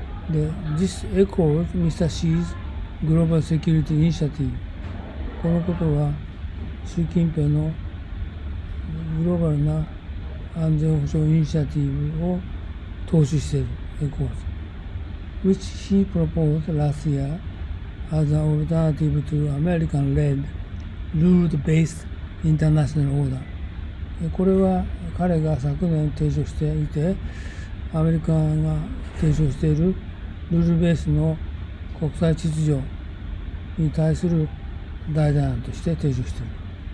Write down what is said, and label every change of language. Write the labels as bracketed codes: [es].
[en] で、this echoes Mr. Xi's global security initiative。 [ja] このことは、習近平のグローバルな安全保障イニシアティブを踏襲している、 [en] echoes。 which he proposed last year. As an alternative to American-led, rule-based international order. [ja] これは彼が昨年提唱していて、アメリカが提唱しているルールベースの国際秩序に対する代替案として提唱している。